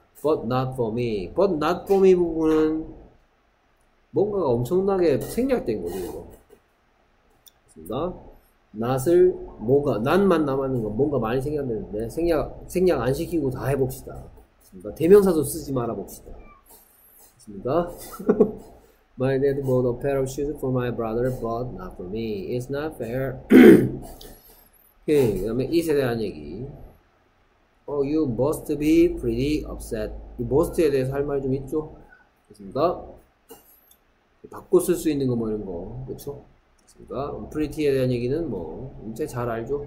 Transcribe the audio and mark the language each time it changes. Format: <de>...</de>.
<en>But not for me. But not for me</en> <ko>부분은 뭔가가 엄청나게 생략된 거죠. 이거. 맞습니다. Not을 뭐가 not만 남아있는 건 뭔가 많이 생략되는데 생략 안 시키고 다 해봅시다. 맞습니다. 대명사도 쓰지 말아봅시다. 맞습니다.</ko> <en>My dad bought a pair of shoes for my brother, but not for me. It's not fair. 오케이.</en> <ko>그다음에 it에 대한 얘기.</ko> <en>Oh, you must be pretty upset.</en> <ko>이 must에 대해서 할 말 좀 있죠? 됐습니까? 바꿔 쓸 수 있는 거 뭐 이런 거. 그쵸? 됐습니까? pretty에 대한 얘기는 뭐, 이제 잘 알죠?</ko>